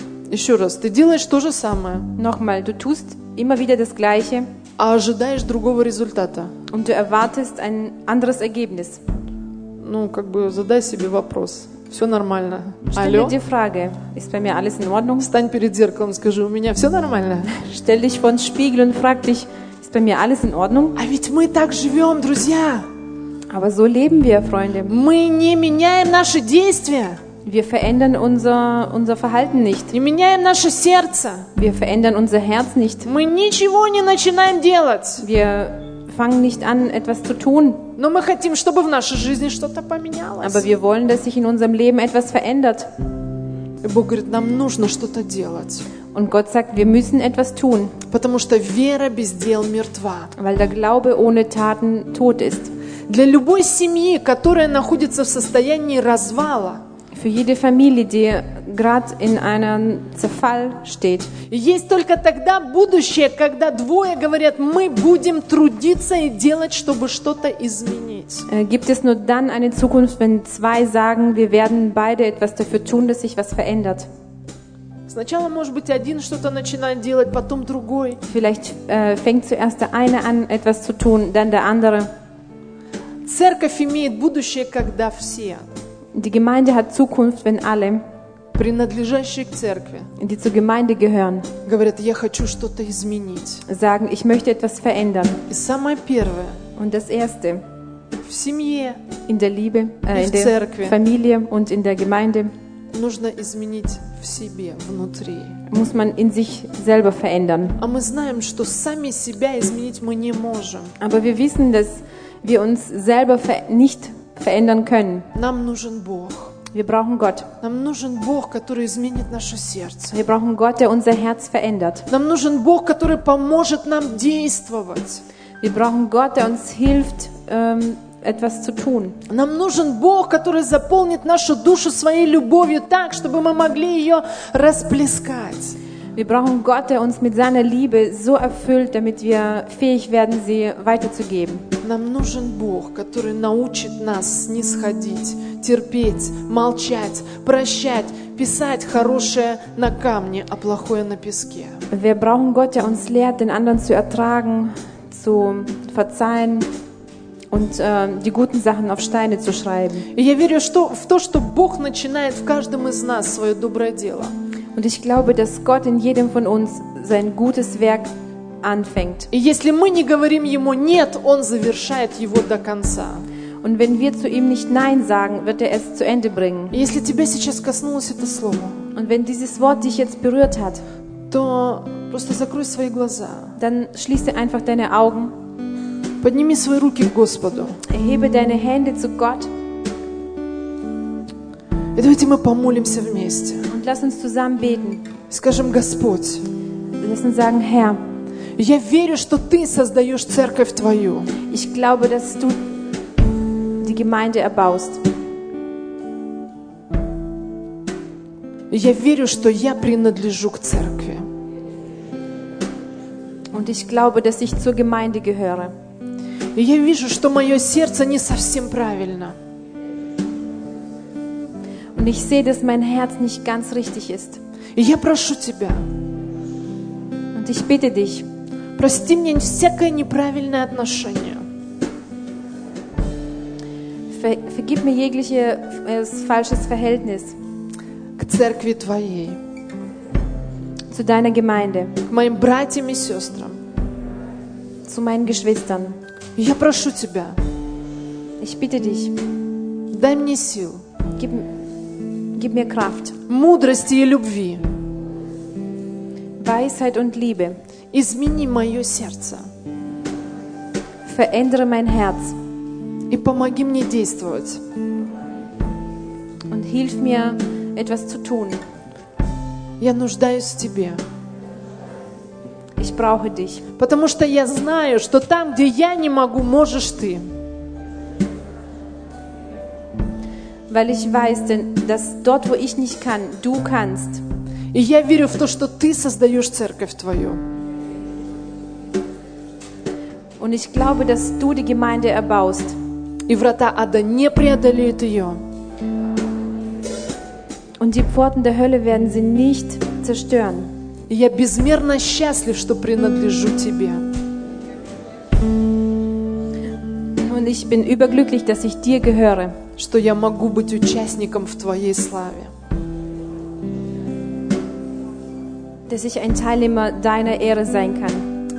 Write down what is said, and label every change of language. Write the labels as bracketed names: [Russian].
[Russian] Еще раз, ты делаешь то же самое. [German] Nochmal, du tust immer wieder das Gleiche. [Russian] А ожидаешь другого результата. [German] Und du erwartest ein anderes Ergebnis. [Russian] Задай себе вопрос. Все нормально. [German] Stell dir die Frage, ist bei mir alles in Ordnung? [Russian] Стань перед зеркалом, скажи, у меня все нормально. [German] Stell dich vor den Spiegel und frag dich, ist bei mir alles in Ordnung? [Russian] А ведь мы так живем, друзья. [German] Aber so leben wir, Freunde. [Russian] Мы не меняем наши действия. [German] Wir verändern unser Verhalten nicht. [Russian] Не меняем наше сердце. [German] Wir verändern unser Herz nicht. [Russian] Мы ничего не начинаем делать. [German] Wir fangen nicht an, etwas zu tun. [Russian] Но мы хотим, чтобы в нашей жизни что-то поменялось. [German] Aber wir wollen, dass sich in unserem Leben etwas verändert. [Russian] И Бог говорит, нам нужно что-то делать. [German] Und Gott sagt, wir müssen etwas tun. [Russian] Потому что вера без дел мертва. [German] Weil der Glaube ohne Taten tot ist. [Russian] Для любой семьи, которая находится в состоянии развала. [German] Für jede Familie, die gerade in einem Zerfall steht. [Russian] Есть только тогда будущее, когда двое говорят, мы будем трудиться и делать, чтобы что-то изменить. [German] Gibt es nur dann eine Zukunft, wenn zwei sagen, wir werden beide etwas dafür tun, dass sich was verändert. [Russian] Сначала, может быть, один что-то начинает делать, потом другой. [German] Vielleicht fängt zuerst der eine an, etwas zu tun, dann der andere. [Russian] Церковь имеет будущее, когда все. [German] Die Gemeinde hat Zukunft, wenn alle, [Russian] принадлежащие к церкви, [German] die zur Gemeinde gehören, [Russian] говорят, я хочу что-то изменить, [German] sagen, ich möchte etwas verändern. [Russian] И самое первое, [German] und das erste, [Russian] в семье, [German] in der Liebe, in der [Russian] церкви, [German] Familie und in der Gemeinde, [Russian] нужно изменить в себе, внутри. [German] Muss man in sich selber verändern. [Russian] А мы знаем, что сами себя изменить мы не можем. [German] Aber wir wissen, dass wir uns selber nicht verändern können. [Russian] Нам нужен Бог. [German] Wir brauchen Gott. [Russian] Нам нужен Бог, который изменит наше сердце. [German] Wir brauchen Gott, der unser Herz verändert. [Russian] Нам нужен Бог, который поможет нам действовать. [German] Wir brauchen Gott, der uns hilft, etwas zu tun. [Russian] Нам нужен Бог, который заполнит нашу душу своей любовью так, чтобы мы могли ее расплескать. [German] Wir brauchen Gott, der uns mit seiner Liebe so erfüllt, damit wir fähig werden, sie weiterzugeben. [Russian] Нам нужен Бог, который научит нас снисходить, терпеть, молчать, прощать, писать хорошее на камне, а плохое на песке. [German] Wir brauchen Gott, der uns lehrt, den anderen zu ertragen, zu verzeihen und die guten Sachen auf Steine zu schreiben. [Russian] Я верю, что в то, что Бог начинает в каждом из нас свое доброе дело. [German] Und ich glaube, dass Gott in jedem von uns sein gutes Werk anfängt. [Russian] Если мы не говорим ему нет, он завершает его до конца. [German] Und wenn wir zu ihm nicht nein sagen, wird er es zu Ende bringen. [Russian] Если тебя сейчас коснулось это слово. [German] Und wenn dieses Wort dich jetzt berührt hat, [Russian] то просто закрой свои глаза. [German] Dann schließe einfach deine Augen. [Russian] Подними свои руки к Господу. [German] Erhebe deine Hände zu Gott. [Russian] И давайте мы помолимся вместе. [German] Und lass uns zusammen beten. [Russian] Скажем, Господь. [German] Lass uns sagen, Herr. [Russian] Я верю, что ты создаешь церковь твою. [German] Ich glaube, dass du die Gemeinde erbaust. [Russian] Я верю, что я принадлежу к церкви. [German] Und ich glaube, dass ich zur Gemeinde gehöre. [Russian] И я вижу, что мое сердце не совсем правильно. [German] Und ich sehe, dass mein Herz nicht ganz richtig ist. [Russian] Я прошу тебя. [German] Und ich bitte dich. [Russian] Прости мне всякое неправильное отношение. [German] Vergib mir jegliches falsches Verhältnis. [Russian] К церкви твоей. [German] Zu deiner Gemeinde. [Russian] К моим братьям и сестрам. [German] Zu meinen Geschwistern. [Russian] Я прошу тебя. [German] Ich bitte dich. [Russian] Дай мне сил. [German] Gib mir Kraft. [Russian] Мудрости и любви. [German] Weisheit und Liebe. [Russian] Измени мое сердце. [German] Verändere mein Herz. [Russian] И помоги мне действовать. [German] Und hilf mir, etwas zu tun. [Russian] Я нуждаюсь в тебе. [German] Ich brauche dich. [Russian] Потому что я знаю, что там, где я не могу, можешь ты. [German] Weil ich weiß, denn dass dort, wo ich nicht kann, du kannst. [Russian] И я верю в то, что ты создаешь церковь твою. [German] Und ich glaube, dass du die Gemeinde erbaust. [Russian] И врата ада не преодолеют ее. [German] Und die Pforten der Hölle werden sie nicht zerstören. [Russian] И я безмерно счастлив, что принадлежу тебе. [German] Und ich bin überglücklich, dass ich dir gehöre. [Russian] что я могу быть участником в Твоей славе. [German] Dass ich ein Teilnehmer deiner Ehre sein kann.